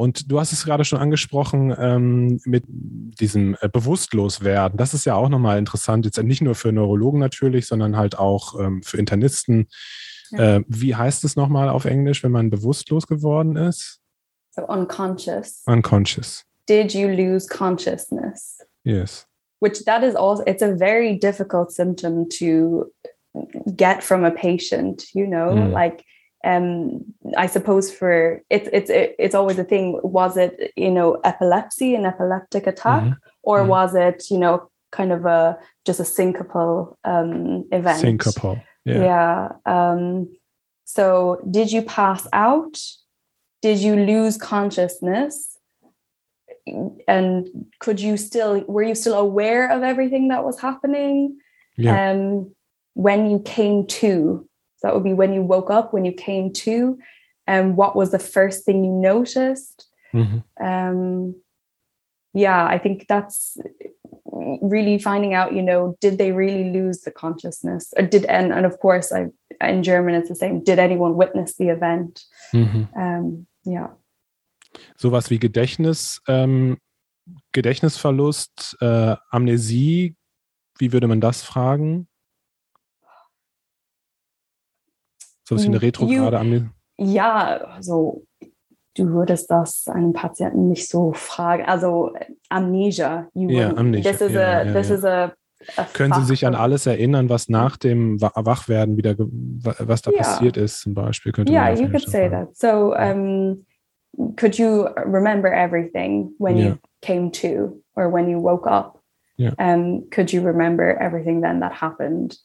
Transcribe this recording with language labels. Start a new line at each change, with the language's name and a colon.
German: Und du hast es gerade schon angesprochen mit diesem Bewusstloswerden. Das ist ja auch nochmal interessant. Jetzt nicht nur für Neurologen natürlich, sondern halt auch für Internisten. Ja. Wie heißt es nochmal auf Englisch, wenn man bewusstlos geworden ist?
English: So unconscious. Unconscious. Did you lose consciousness? Yes. Which that is also, it's a very difficult symptom to get from a patient, you know? Mm. Like, I suppose it's always a thing. Was it, you know, epilepsy, an epileptic attack, mm-hmm. or was it, you know, kind of just a syncopal event? Syncopal. Yeah. So did you pass out? Did you lose consciousness? And were you still aware of everything that was happening? Yeah. When you came to? So that would be when you woke up, when you came to, and what was the first thing you noticed? Mm-hmm. I think that's really finding out, you know, did they really lose the consciousness? Or did and of course, in German, it's the same. Did anyone witness the event? Mm-hmm.
German: Sowas wie Gedächtnis, Gedächtnisverlust, Amnesie, wie würde man das fragen? So ein bisschen eine retrograde Amnesie. Ja, also du würdest das einem Patienten nicht so fragen. Also Amnesia. Können Sie sich an alles erinnern, was nach dem Wachwerden wieder, was da passiert ist zum Beispiel?
English: You could say that. So, could you remember everything when you came to or when you woke up? Yeah. Could you remember everything then that happened?